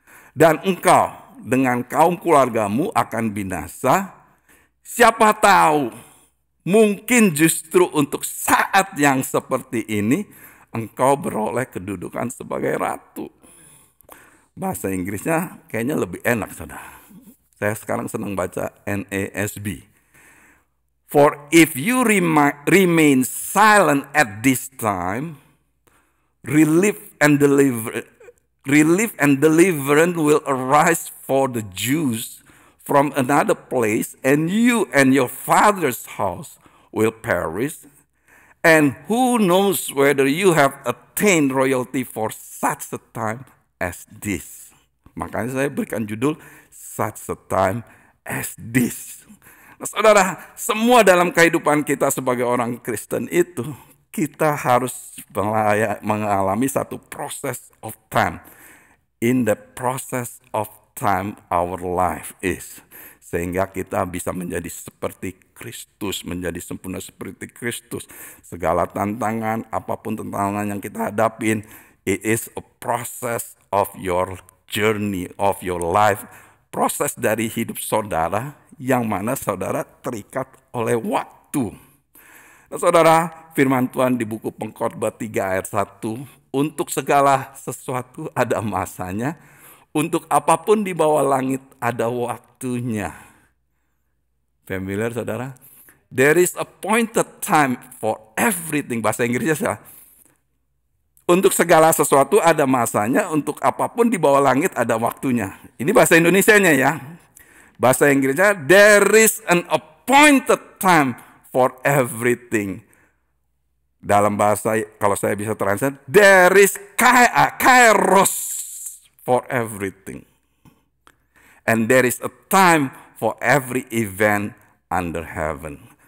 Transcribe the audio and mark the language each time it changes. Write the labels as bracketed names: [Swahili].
[Indonesian] Dan engkau dengan kaum keluargamu akan binasa. Siapa tahu, mungkin justru untuk saat yang seperti ini, engkau beroleh kedudukan sebagai ratu. Bahasa Inggrisnya kayaknya lebih enak, saudara. Saya sekarang senang baca NASB. [English] For if you remain silent at this time, relief and deliverance will arise for the Jews from another place, and you and your father's house will perish. And who knows whether you have attained royalty for such a time as this. [Indonesian] Makanya saya berikan judul, [English] such a time as this. [Indonesian] Nah, saudara, semua dalam kehidupan kita sebagai orang Kristen itu, kita harus mengalami satu [English] process of time. In the process of time, our life is. [Indonesian] Sehingga kita bisa menjadi seperti Kristus, menjadi sempurna seperti Kristus. Segala tantangan, apapun tantangan yang kita hadapin, [English] it is a process of your journey, of your life. [Indonesian] Proses dari hidup saudara, yang mana saudara terikat oleh waktu. Nah, saudara, firman Tuhan di buku Pengkhotbah 3 ayat 1, untuk segala sesuatu ada masanya, untuk apapun di bawah langit ada waktunya. Familiar saudara? [English] There is appointed time for everything. [Indonesian] Bahasa Inggrisnya saya. Untuk segala sesuatu ada masanya, untuk apapun di bawah langit ada waktunya. Ini bahasa Indonesianya ya. Bahasa Inggrisnya, [English] there is an appointed time for everything. [Indonesian] Dalam bahasa, kalau saya bisa translate, [English] there is kairos for everything. And there is a time for every event under heaven.